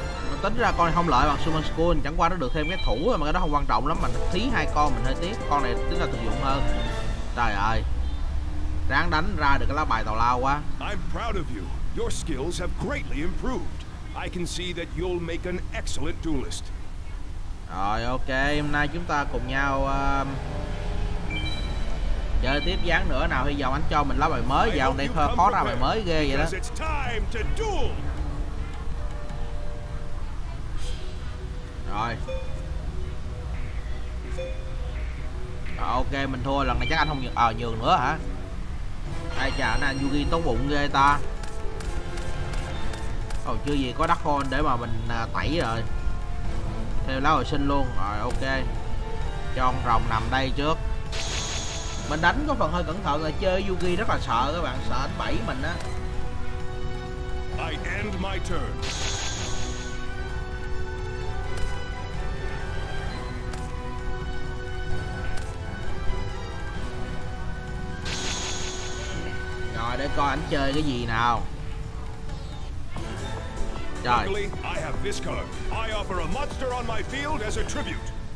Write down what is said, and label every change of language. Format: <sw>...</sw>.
<vi>Mình tính ra con này không lợi bằng Summon School. Chẳng qua nó được thêm cái thủ thôi mà cái đó không quan trọng lắm. Mình thí hai con mình hơi tiếc. Con này tính là thực dụng hơn. Trời ơi. Ráng đánh ra được cái lá bài tào lao quá.</vi> <en>I'm proud of you. Your skills have greatly improved. I can see that you'll make an excellent duelist.</en> <vi>Rồi, ok, hôm nay chúng ta cùng nhau chơi tiếp dán nữa nào. Hy vọng anh cho mình lá bài mới. Dạo này hơi khó ra bài mới ghê vậy đó.</vi> <en>It's time to duel.</en> <vi>Rồi. Rồi, ok, mình thua. Lần này chắc anh không nhường nữa hả? Ai chà, anh Yugi tốt bụng ghê ta. Ồ, chưa gì có đắt hôn để mà mình tẩy rồi. Theo lá hồi sinh luôn. Rồi ok. Cho con rồng nằm đây trước. Mình đánh có phần hơi cẩn thận là chơi Yugi rất là sợ các bạn. Sợ anh bẫy mình á.</vi> <en>I end my turn.</en> <vi>Rồi để coi anh chơi cái gì nào.</vi> <en>Trời. I have this card. I offer a monster on my field as a tribute.</en>